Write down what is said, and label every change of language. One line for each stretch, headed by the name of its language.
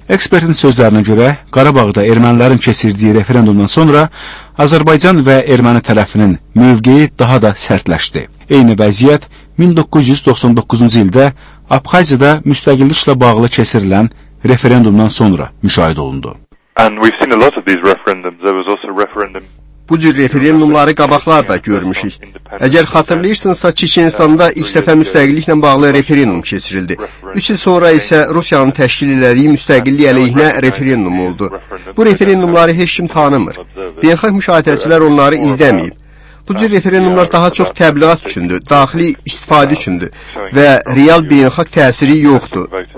Azerbaijani: Ekspertin sözlərinə görə, Qarabağda ermənilərin keçirdiyi referendumdan sonra Azərbaycan və erməni tərəfinin mövqeyi daha da sərtləşdi. Eyni vəziyyət 1999-cu ildə Abxaziyada müstəqilliklə bağlı keçirilən referendumdan sonra müşahidə olundu.
English: And we've seen a lot of these referendums. There was also a referendum.
Azerbaijani: Bu cür referendumları qabaqlar da görmüşük. Əgər xatırlayırsınızsa, Çeçenistanda ilk dəfə müstəqilliklə bağlı referendum keçirildi. 3 il sonra isə Rusiyanın təşkil elədiyi müstəqillik əleyhinə referendum oldu. Bu referendumları heç kim tanımır. Beynəlxalq müşahidəçilər onları izləməyib. Bu cür referendumlar daha çox təbliğat üçündür, daxili istifadə üçündür və real beynəlxalq təsiri yoxdur.